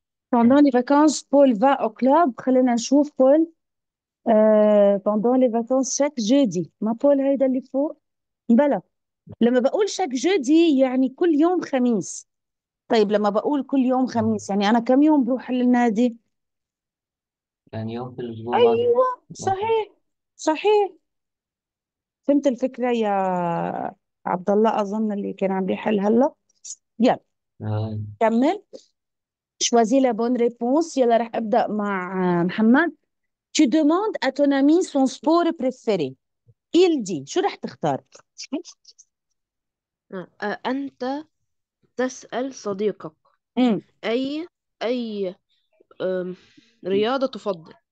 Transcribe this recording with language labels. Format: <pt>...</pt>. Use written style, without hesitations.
<fr>pendant les vacances Paul va au club.</fr> <ar>خلينا نشوف بول</ar> <fr>pendant les vacances chaque jeudi.</fr> <ar>ما بول هيدا اللي فوق؟ بلا لما بقول</ar> <fr>شاك جودي</fr> <ar>يعني كل يوم خميس. طيب لما بقول كل يوم خميس يعني انا كم يوم بروح للنادي؟ يعني يوم في الأسبوع مرة ايوه مثلا. صحيح صحيح، فهمت الفكرة يا عبد الله اظن اللي كان عم بيحل هلا. يلا كمل</ar> <fr>شوازي لا بون ريبونس.</fr> <ar>يلا رح ابدا مع محمد.</ar> <fr>Tu demandes à ton ami son sport préféré. Il dit.</fr> <ar>شو رح تختار؟ أنت تسأل صديقك أي رياضة تفضل،</ar>